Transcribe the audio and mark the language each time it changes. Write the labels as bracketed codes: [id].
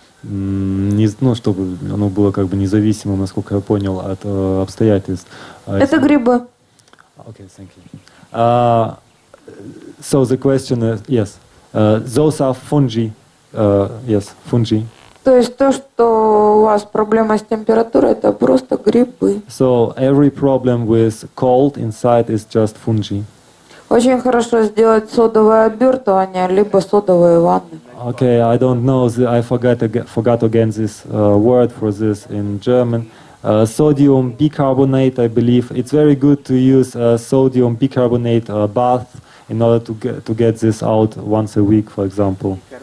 [ru] Чтобы оно было как бы независимо, насколько я понял, от обстоятельств. Это грибы. [en] Okay, thank you. So the question is, yes. Those are fungi. Yes, fungi. [ru] То есть то, что у вас проблема с температурой, это просто грибы. [en] So every problem with cold inside is just fungi. [ru] Очень хорошо сделать содовое обертывание, либо содовые ванны. [en] Okay, I don't know, I forgot again this word for this in German. Sodium bicarbonate, I believe. It's very good to use sodium bicarbonate bath in order to get this out once a week, for example.